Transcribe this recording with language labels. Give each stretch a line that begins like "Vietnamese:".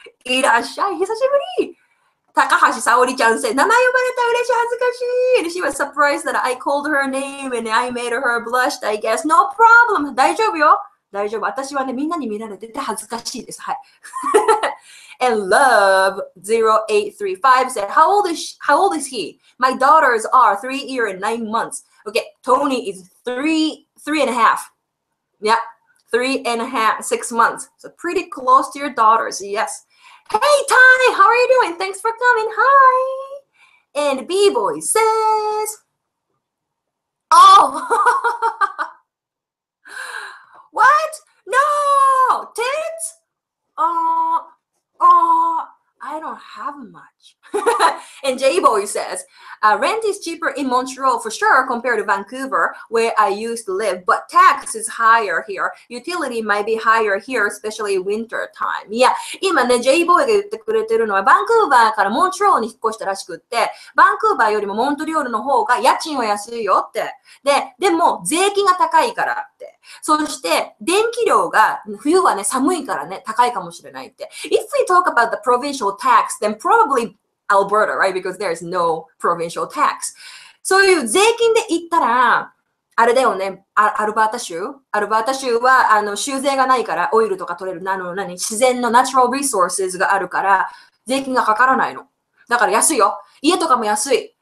Japanese: いらっしゃい、久しぶり。高橋沙織ちゃんせ、名前呼ばれた嬉しい、恥ずかしい。
English: And she was surprised that I called her name and I made her blush, I guess. No problem.
Japanese: 大丈夫よ。大丈夫。私はね、みんなに見られてて恥ずかしいです。
English: はい。And love 0835 said, how old is he? My daughters are 3 years and 9 months. Okay, Tony is three and a half. Yeah, 3 and a half, 6 months. So pretty close to your daughters, yes. Hey, Ty, how are you doing? Thanks for coming. Hi. And B-Boy says, oh, what? No, tits? Oh, I don't have much. And J-Boy says, rent is cheaper in Montreal for sure compared to Vancouver, where I used to live, but tax is higher here. Utility might be higher here, especially winter time.
Japanese: Yeah, 今ね、J-Boy が言ってくれてるのは、バンクーバーからモントリオールに引っ越したらしくって、バンクーバーよりもモントリオールの方が家賃は安いよって。でも税金が高いからって。そして、電気量が冬はね、寒いからね、高いかもしれないって。
English: If we talk about the provincial tax, then probablyAlberta, right? Because there is no provincial tax.
Japanese: そういう税金で言ったら、あれだよね、アルバータ州は州税がないから、オイルとか取れる、自然の
English: natural resources
Japanese: があるから、税金がかからないの。だから安いよ。家とかも安い。